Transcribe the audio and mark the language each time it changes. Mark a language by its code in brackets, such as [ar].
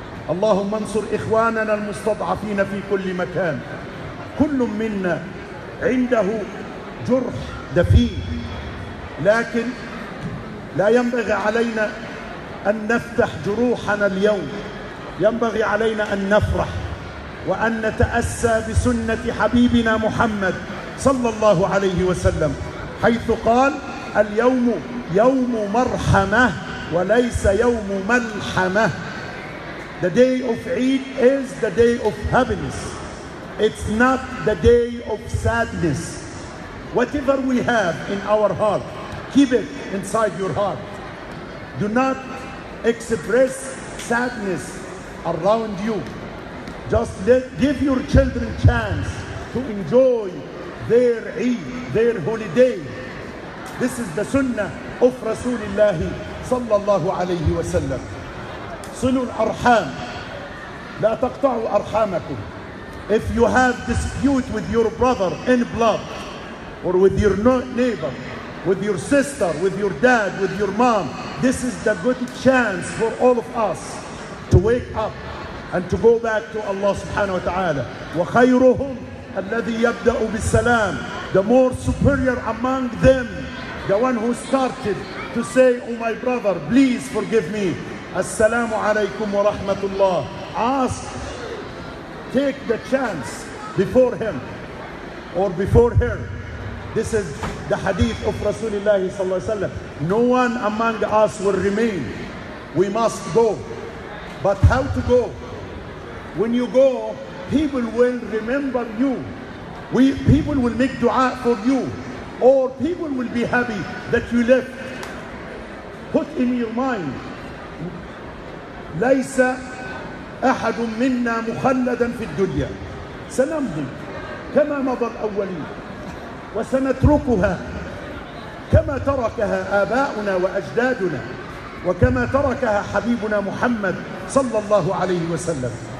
[ar] اللهم انصر إخواننا المستضعفين في كل مكان، كل منا عنده جرح دفين، لكن لا ينبغي علينا أن نفتح جروحنا اليوم، ينبغي علينا أن نفرح وأن نتأسى بسنة حبيبنا محمد صلى الله عليه وسلم، حيث قال: اليوم يوم مرحمة وليس يوم ملحمة. [en] The day of Eid is the day of happiness. It's not the day of sadness. Whatever we have in our heart, keep it inside your heart. Do not express sadness around you. Just give your children chance to enjoy their Eid, their holiday. This is the sunnah of Rasulullah sallallahu alayhi wa sallam. Sunul Arham, [ar] لا تقطعوا أرحامكم. [en] If you have dispute with your brother in blood, or with your neighbor, with your sister, with your dad, with your mom, this is the good chance for all of us to wake up and to go back to Allah subhanahu wa ta'ala. [ar] وَخَيْرُهُمْ الَّذِي يَبْدَأُ بِالسَّلَامِ. [en] The more superior among them, the one who started to say, oh my brother, please forgive me. [ar] السلام عليكم ورحمة الله. [en] Ask, take the chance before him or before her. This is the hadith of Rasulullah sallallahu alaihi wasallam. No one among us will remain. We must go. But how to go? When you go, people will remember you. People will make dua for you. Or people will be happy that you left. Put in your mind, [ar] ليس أحد منا مخلدا في الدنيا سنمضي كما مضى الأولين وسنتركها كما تركها آباؤنا وأجدادنا وكما تركها حبيبنا محمد صلى الله عليه وسلم.